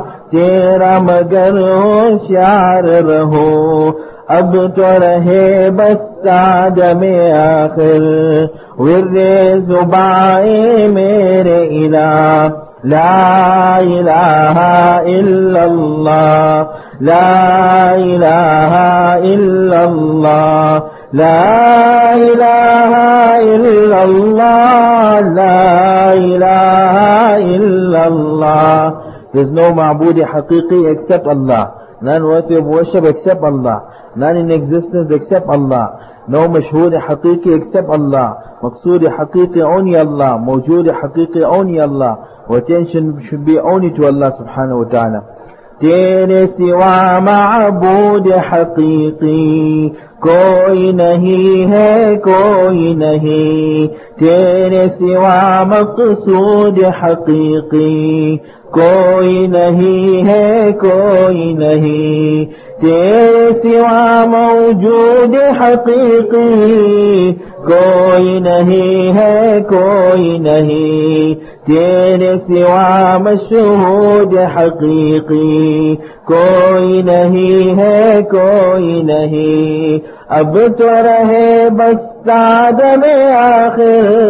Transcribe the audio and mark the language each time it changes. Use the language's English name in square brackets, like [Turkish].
[Urdu] تیرا مگر ہوشیار رہو اب تو رہے بس ساج میں آخر ورد زبائے میرے الہ [Arabic] لا الہ الا اللہ لا الہ الا اللہ لا الہ الا اللہ لا الہ الا اللہ [English] There's no معبود حقیقی except Allah. None worthy of worship except Allah. None in existence except Allah. No مشہور حقیقی except Allah. مقصود حقیقی only Allah. موجود حقیقی only Allah. Attention should be only to Allah subhanahu wa ta'ala. [Urdu] تیرے سوا معبود حقیقی کوئی نہیں ہے کوئی نہیں تیرے سوا مقصود حقیقی کوئی نہیں ہے کوئی نہیں تیرے سوا موجود حقیقی کوئی نہیں ہے کوئی نہیں تیرے سوا مشہود حقیقی کوئی نہیں ہے کوئی نہیں اب تو رہے بس ساد میں آخر